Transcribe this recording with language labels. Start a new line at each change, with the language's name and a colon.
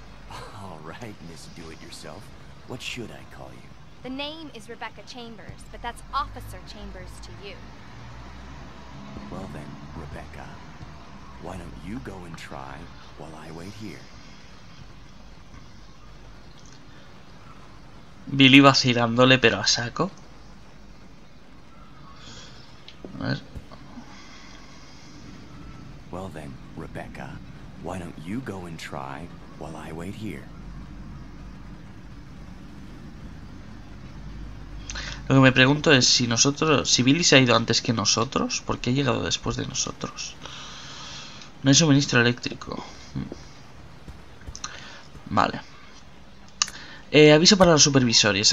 English: All right, Miss Do-It-Yourself. What should I call you? The name is Rebecca Chambers, but that's Officer Chambers to you. Well then, Rebecca, why don't you go and try while I wait here?
Spanish: Billy vacilándole, pero a saco.
English: Well then, Rebecca, why don't you go and try while I wait here?
Spanish: Lo que me pregunto es si nosotros, si Billy se ha ido antes que nosotros, ¿por qué ha llegado después de nosotros? No hay suministro eléctrico. Vale. Aviso para los supervisores.